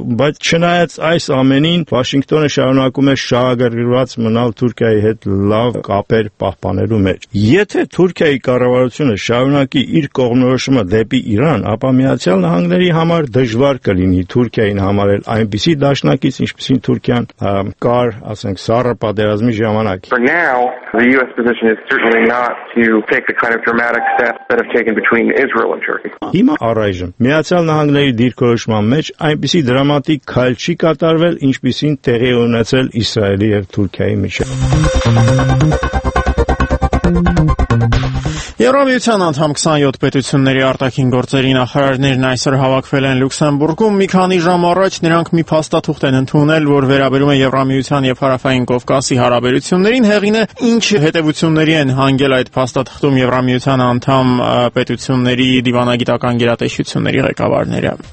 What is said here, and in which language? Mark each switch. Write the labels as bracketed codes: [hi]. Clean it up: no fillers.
[hy] բայց չնայած այս ամենին Washington-ը շարունակում է շահագրգռված մնալ Թուրքիայի հետ լավ կապեր պահպանելու մեջ։ Եթե Թուրքիայի կառավարությունը շարունակի իր կողմնորոշումը դեպի Իրան, ապա Միացյալ Նահանգների համար դժվար կլինի Թուրքիային համարել այնպիսի դաշնակից, ինչպիսին Թուրքիան կար, ասենք, Սառը պատերազմի ժամանակ։ [en] For now, the US position is certainly not to take the kind of dramatic steps that have taken between Israel and Turkey. [hy] Հիմա առայժմ Միացյալ Նահանգների դիրքորոշման մեջ այնպիսի դրամատիկ քայլ չի կատարվել, ինչպիսին տեղի ունեցել Իսրայելի եւ Թուրքիայի միջեւ։ Եվրոպական անդամ 27 պետությունների արտաքին գործերի նախարարներն այսօր հավաքվել են Լյուքսեմբուրգում։ Մի քանի ժամ առաջ նրանք մի փաստաթուղթ են ընդունել, որ վերաբերում է Եվրամիության եւ Հարավային Կովկասի հարաբերություններին։ Հեղինը ինչ հետեւությունների են հանգել այդ փաստաթղթում Եվրամիության անդամ պետությունների դիվանագիտական գերատեսչությունների ղեկավարները։